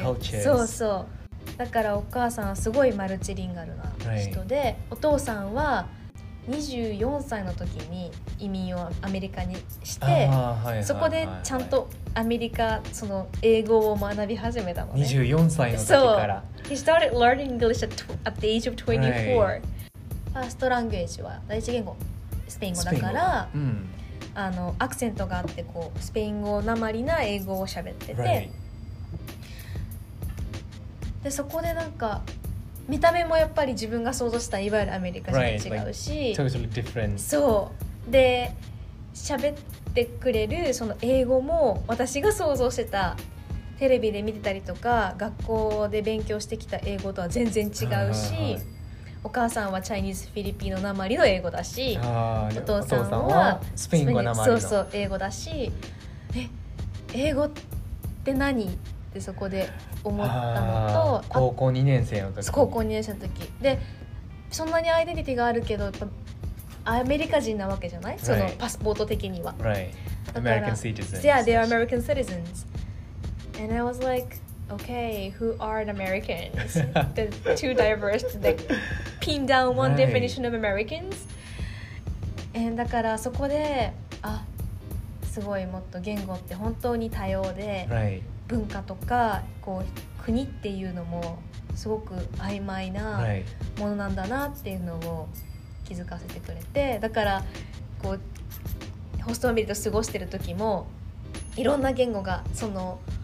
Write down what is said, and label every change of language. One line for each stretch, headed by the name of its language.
Japanese: う。そうそう。だからお母さんはすごいマルチリンガルな人で、
English: right.
Japanese: お父さんは 24歳の時に移民をアメリカにして、そこでちゃんとアメリカその英語を学び始めたのね。 24歳の時から
English: He started learning English at the age of 24.
Japanese: ファーストランゲージは第一言語スペイン語だから、うん、あのアクセントがあってこうスペイン語なまりな英語を喋ってて、
English: right.
Japanese: でそこでなんか見た目もやっぱり自分が想像したいわゆるアメリカ人と違うし、
English: right. like, totally different.
Japanese: そうで喋ってくれるその英語も私が想像してたテレビで見てたりとか学校で勉強してきた英語とは全然違うし、お母さんはチャイニーズフィリピンのなまりの英語だし、お父さんはスペイン語なまりの、そうそう英語だし、え英語って何ってそこで思ったのと、高校2年生の時、高校2年生の時でそんなにアイデンティティがあるけどやっぱアメリカ人なわけじゃない、
English: right.
Japanese: そのパスポート的には、
English: right. American citizens. Yeah, they are American citizens. And I was like,Okay, who are the Americans? The two diverse, they pin down one definition of Americans.
Japanese: And だからそこで、あ、すごいもっと言語って本当に多様で、文化とかこう国っていうのもすごく曖昧なものなんだなっていうのを気づかせてくれて、だからこうホストファミリーと過ごしてる時もいろんな言語がその